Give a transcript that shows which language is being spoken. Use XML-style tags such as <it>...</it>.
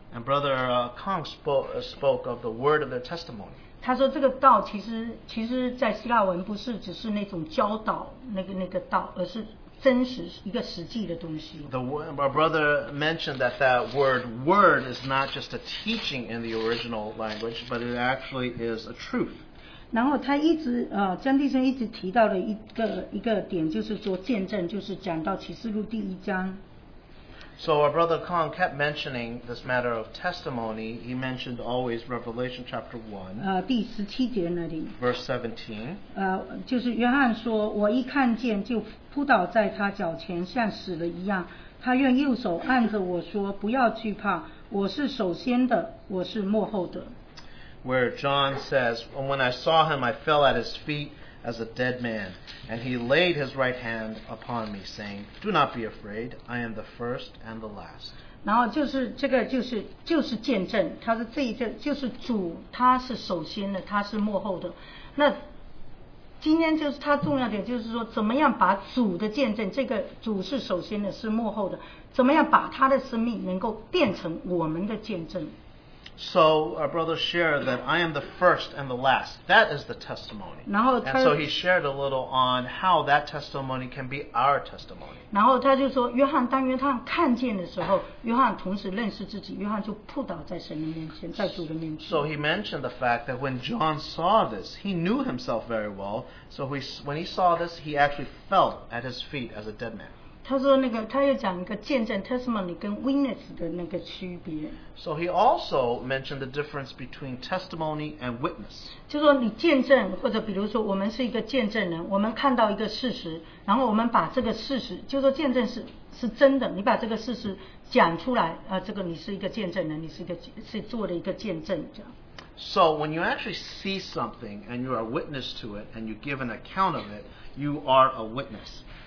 <en>And Brother Kong spoke of the word of their testimony.</en> <zh>他说这个道其实在希腊文不是只是那种教导那个道，而是真实一个实际的东西。</zh> <en>Our brother mentioned that word is not just a teaching in the original language, but it actually is a truth.</en> <zh>然后他一直江弟兄一直提到的一个点就是做见证，就是讲到启示录第一章。</zh> <en>So our brother Kong kept mentioning this matter of testimony. He mentioned always Revelation chapter 1.</en> <zh>第十七节那里。</zh> <en>Verse 17.</en> <zh>就是约翰说，我一看见就扑倒在他脚前，像死了一样。他用右手按着我说，不要惧怕，我是首先的，我是末后的。</zh> <en>Where John says, and when I saw him, I fell at his feet as a dead man, and he laid his right hand upon me, saying, Do not be afraid, I am the first and the last.</en> <zh>然后就是这个就是见证，他是这一个就是主，他是首先的，他是末后的。那今天就是他重要点，就是说怎么样把主的见证，这个主是首先的，是末后的，怎么样把他的生命能够变成我们的见证。</zh> <en>So our brother shared that I am the first and the last. That is the testimony. And so he shared a little on how that testimony can be our testimony.</en> <zh>然后他就说, 约翰, 当约翰看见的时候, 约翰同时认识自己, 约翰就扑倒在神的面前, 在主的面前。</zh> <en>So he mentioned the fact that when John saw this, he knew himself very well. So he, when he saw this, he actually fell at his feet as a dead man.</en> <zh>他说那个, 他又讲一个见证,</zh> <en>testimony</en> <zh>跟</zh> <en>witness</en> <zh>的那个区别。</zh> <en>So he also mentioned the difference between testimony and witness.</en> <zh>就说你见证, 或者比如说我们是一个见证人, 我们看到一个事实, 然后我们把这个事实, 就说见证是, 是真的, 你把这个事实讲出来, 这个你是一个见证人, 你是一个, 是做了一个见证, 这样。</zh> <en>So when you actually see something and you are a witness to it and you give an account of it, you are a witness.</en>